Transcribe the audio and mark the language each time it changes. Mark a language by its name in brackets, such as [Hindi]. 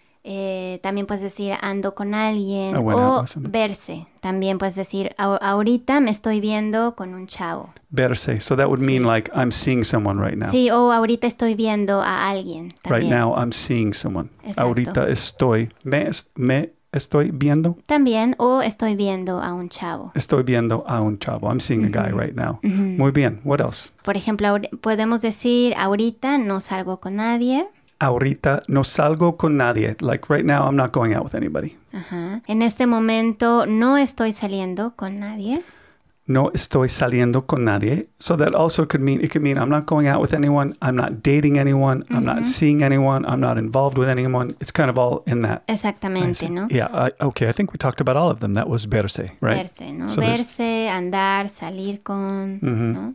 [Spanish] También puedes decir ando con alguien o verse. También puedes decir ahorita me estoy viendo con un chavo. Verse. [English] So that would mean like I'm seeing someone right now. [Spanish] Sí, o ahorita estoy viendo a alguien. También. [English] Right now I'm seeing someone. [Spanish] Exacto. Ahorita estoy. Me estoy viendo. También o estoy viendo a un chavo. Estoy viendo a un chavo. [English] I'm seeing a guy right now. [Spanish] Muy bien. [English] What else? [Spanish] Por ejemplo, podemos decir ahorita no salgo con nadie. Ahorita no salgo con nadie. [English] Like right now, I'm not going out with anybody. [Spanish] En este momento, no estoy saliendo con nadie. No estoy saliendo con nadie. [English] So that also could mean, it could mean I'm not going out with anyone. I'm not dating anyone. I'm not seeing anyone. I'm not involved with anyone. It's kind of all in that. [Spanish] Exactamente, ¿no? [English] Yeah. Okay. I think we talked about all of them. That was verse, right? [Spanish] Verse, ¿no? So verse, andar, salir con, ¿no?